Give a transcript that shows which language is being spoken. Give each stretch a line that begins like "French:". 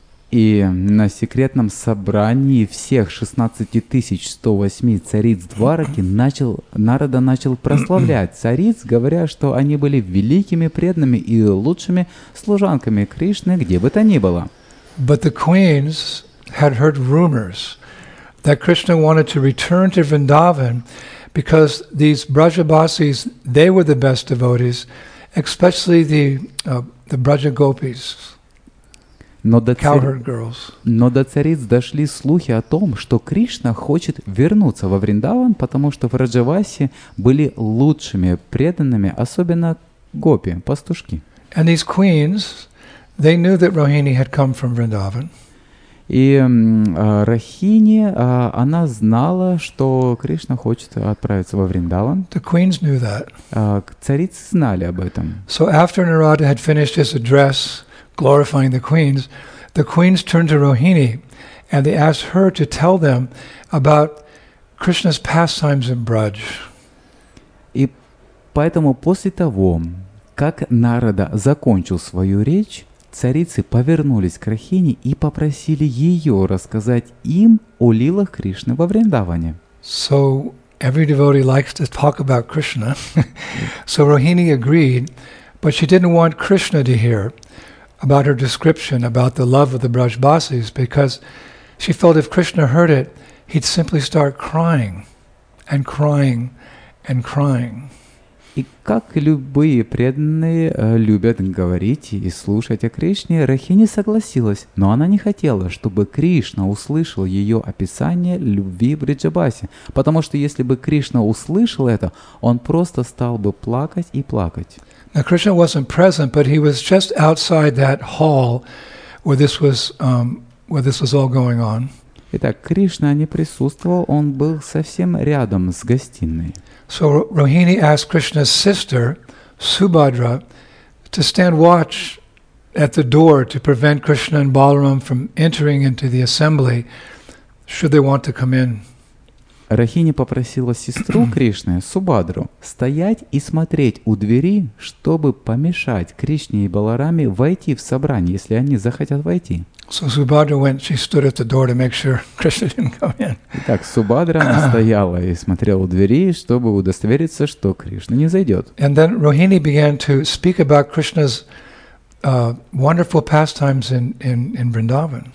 Russian: И на секретном собрании всех 16108 цариц Двараки Нарада начал прославлять цариц, говоря, что они были великими преданными и лучшими служанками Кришны, где бы то ни было.
English: But the queens had heard rumors that Krishna wanted to return to Vrindavan because these Brajabasis, they were the best devotees, especially the Brajagopis.
Russian: Но до цариц дошли слухи о том, что Кришна хочет вернуться во Вриндаван, потому что в Раджаваси были лучшими преданными, особенно гопи, пастушки.
English: And these queens, they knew that Rohini had come from Vrindavan.
Russian: И Рохини, она знала, что Кришна хочет отправиться во Вриндаван.
English: The queens knew that.
Russian: Царицы знали об этом.
English: So after Narada had finished his address glorifying the queens turned to Rohini and they asked her to tell them about Krishna's pastimes in Braj.
Russian: И поэтому после того, как Нарада закончил свою речь, царицы повернулись к Рохини и попросили ее рассказать им о лилах Кришны во Вриндаване.
English: So every devotee likes to talk about Krishna. So Rohini agreed, but she didn't want Krishna to hear about her description about the love of the Brajbasis, because she felt if Krishna heard it, he'd simply start crying and crying and crying.
Russian: И как любые преданные любят говорить и слушать о Кришне, Рохини согласилась, но она не хотела, чтобы Кришна услышал ее описание любви Бриджабаси, потому что если бы Кришна услышал это, он просто стал бы плакать и плакать.
English: Now Krishna wasn't present, but he was just outside that hall where this was all going on.
Russian: Итак, Кришна не присутствовал, он был совсем рядом с гостиной.
English: So Rohini asked Krishna's sister, Subhadra, to stand watch at the door to prevent Krishna and Balaram from entering into the assembly, should they want to come in.
Russian: Рохини попросила сестру Кришны, Субхадру, стоять и смотреть у двери, чтобы помешать Кришне и Балараме войти в собрание, если они захотят войти.
English: So Subhadra went, she stood at the door to make sure Krishna didn't come in.
Russian: Итак, Субхадра стояла и смотрела у двери, чтобы удостовериться, что Кришна не зайдет.
English: And then Rohini began to speak about Krishna's wonderful pastimes in Vrindavan.